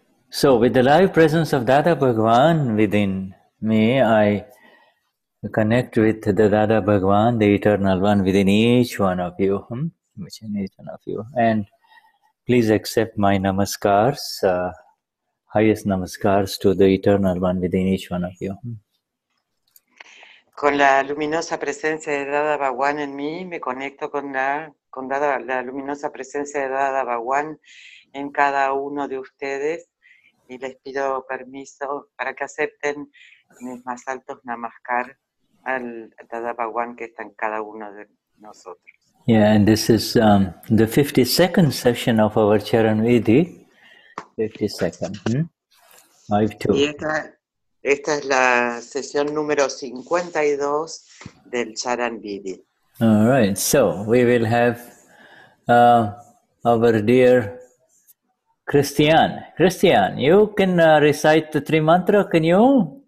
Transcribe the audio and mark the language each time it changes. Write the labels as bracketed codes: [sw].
[en] So, with the live presence of Dada Bhagwan within me, I connect with the Dada Bhagwan, the Eternal One, within each one of you, within each one of you, and please accept my namaskars, highest namaskars to the Eternal One within each one of you. [es] Con la luminosa presencia de Dada Bhagwan en mí, me conecto con la luminosa presencia de Dada Bhagwan en cada uno de ustedes y les pido permiso para que acepten mis más altos namaskar al Dada Bhagwan que está en cada uno de nosotros. [en] Yeah, and this is the 52nd session of our Charanvidhi. 52nd. Hmm? 5-2. [es] Y esta es la sesión número 52 del Charanvidhi. [en] All right, so we will have our dear Christian. Christian, you can recite the three mantra, can you?